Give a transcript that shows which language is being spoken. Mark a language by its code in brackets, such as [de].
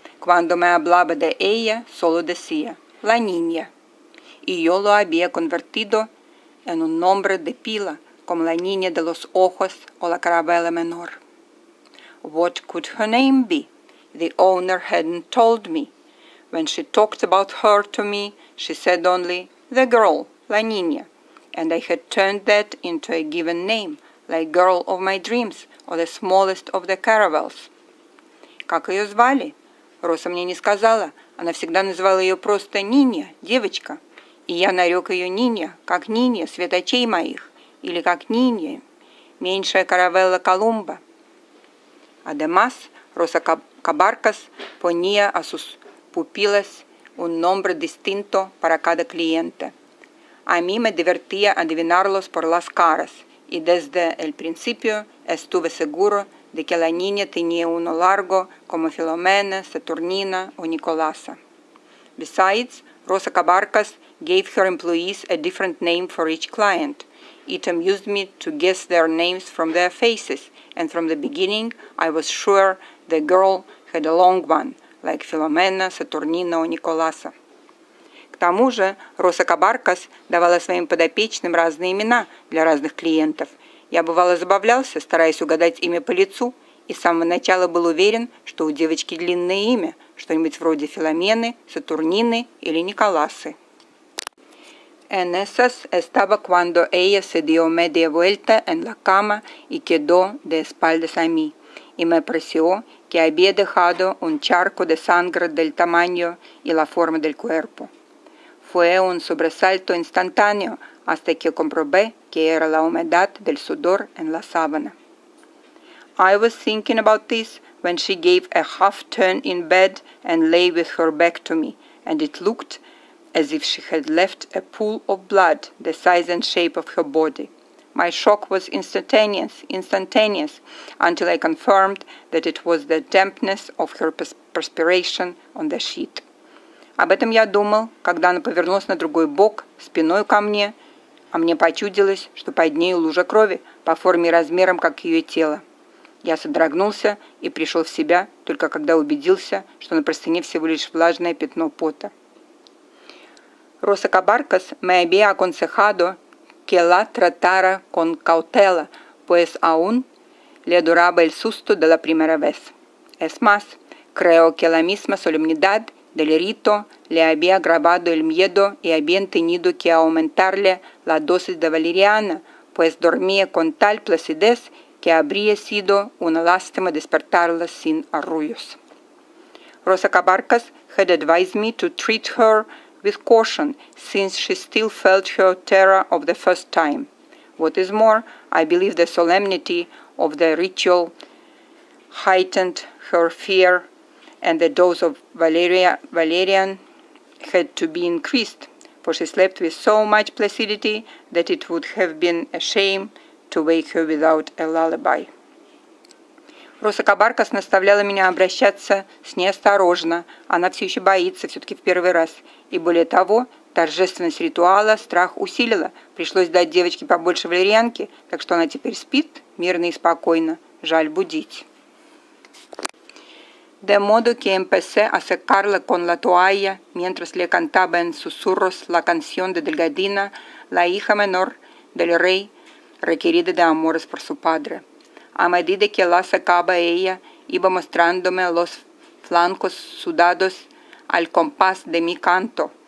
[es] Cuando me hablaba de ella, solo decía, la niña. Y yo lo había convertido en un nombre de pila, como la niña de los ojos o la carabela menor. [en] What could her name be? The owner hadn't told me. When she talked about her to me, she said only, the girl, [es] la niña. [en] And I had turned that into a given name, like girl of my dreams, or the smallest of the caravels. [ru] Как ее звали? Роса мне не сказала. Она всегда называла ее просто Ниня, девочка. И я нарек ее Ниня, как Ниня, светочей моих, или как Ниня, меньшая каравелла Колумба. [es] Además, Роса Кабаркас ponía a sus pupilas un nombre distinto para cada cliente. A mí me divertía adivinarlos por las caras, y desde el principio estuve seguro de que la niña tenía uno largo como Filomena, Saturnina o Nicolasa. [en] Besides, Rosa Cabarcas gave her employees a different name for each client. It amused me to guess their names from their faces, and from the beginning I was sure the girl had a long one, like Filomena, Saturnina o Nicolasa. [ru] К тому же, Rosa Cabarcas давала своим подопечным разные имена для разных клиентов. Я бывало забавлялся, стараясь угадать имя по лицу, и с самого начала был уверен, что у девочки длинное имя, что-нибудь вроде Филомены, Сатурнины или Николасы. [es] En esas estaba cuando ella se dio media vuelta en la cama y quedó de espaldas a mí, y me pareció que había dejado un charco de sangre del tamaño y la forma del cuerpo. Fue un sobresalto instantáneo hasta que comprobé que era la humedad del sudor en la sábana. [en] I was thinking about this when she gave a half turn in bed and lay with her back to me, and it looked as if she had left a pool of blood the size and shape of her body. My shock was instantaneous, until I confirmed that it was the dampness of her perspiration on the sheet. [ru] Об этом я думал, когда она повернулась на другой бок, спиной ко мне, а мне почудилось, что под ней лужа крови, по форме и размерам, как ее тело. Я содрогнулся и пришел в себя, только когда убедился, что на простыне всего лишь влажное пятно пота. [es] Rosa Cabarcas me había aconsejado que la tratara con cautela, pues aún le duraba el susto de la primera vez. Es más, creo que la misma solemnidad del rito le había agravado el miedo y habían tenido que aumentarle la dosis de valeriana, pues dormía con tal placidez que habría sido una lástima despertarla sin arrullos. [en] Rosa Cabarcas had advised me to treat her with caution, since she still felt her terror of the first time. What is more, I believe the solemnity of the ritual heightened her fear, and the dose of valerian had to be increased, for she slept with so much placidity that it would have been a shame to wake her without a lullaby. [ru] Rosa Cabarcas наставляла меня обращаться с ней осторожно. Она все еще боится, все-таки в первый раз. И более того, торжественность ритуала страх усилила. Пришлось дать девочке побольше валерьянки, так что она теперь спит мирно и спокойно. Жаль будить. [es] De modo que empecé a secarla con la toalla mientras le cantaba en susurros la canción de Delgadina, la hija menor del rey, requerida de amores por su padre. A medida que la secaba ella, iba mostrándome los flancos sudados al compás de mi canto.